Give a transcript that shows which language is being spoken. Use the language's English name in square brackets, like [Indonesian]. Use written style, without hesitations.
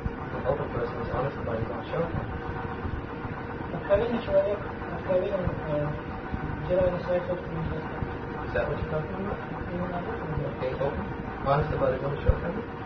[English] An open person is honest about his own shortcomings. [Russian] Откровенный человек откровенен, взирая на свои собственные недостатки. [English] Is that what you're talking about? Being open? Honest about his own shortcomings?